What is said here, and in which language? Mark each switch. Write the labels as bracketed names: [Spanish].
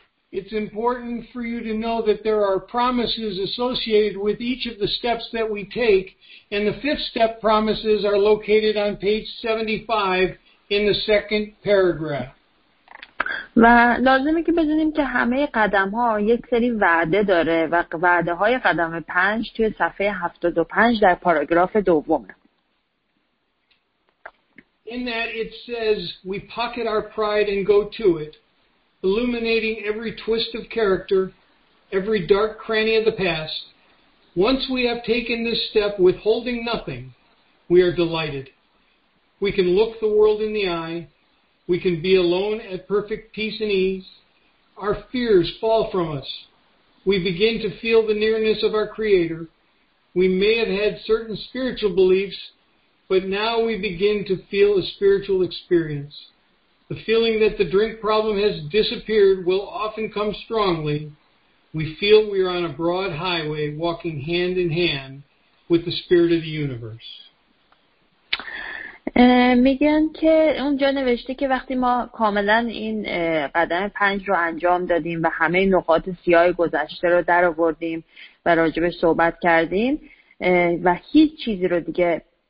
[English] It's important for you to know that there are promises associated with each of the steps that we take, and the fifth step promises are located on page 75 in the second paragraph. [Persian] و لازمه که بدونیم که همه قدم‌ها یک سری وعده داره و وعده‌های قدم 5 توی صفحه 75 در پاراگراف دومه. [English] In that it says we pocket our pride and go to it, illuminating every twist of character, every dark cranny of the past. Once we have taken this step withholding nothing, we are delighted. We can look the world in the eye. We can be alone at perfect peace and ease. Our fears fall from us. We begin to feel the nearness of our Creator. We may have had certain spiritual beliefs, but now we begin to feel a spiritual experience. The feeling that the drink problem has disappeared will often come strongly. We feel we are on a broad highway walking hand in hand with the Spirit of the Universe. [Persian] میگن که اونجا نوشته که وقتی ما کاملا این قدم 5 رو انجام دادیم و همه نقاط سیاه گذشته رو در آوردیم و راجبش صحبت کردیم و هیچ چیزی رو دیگه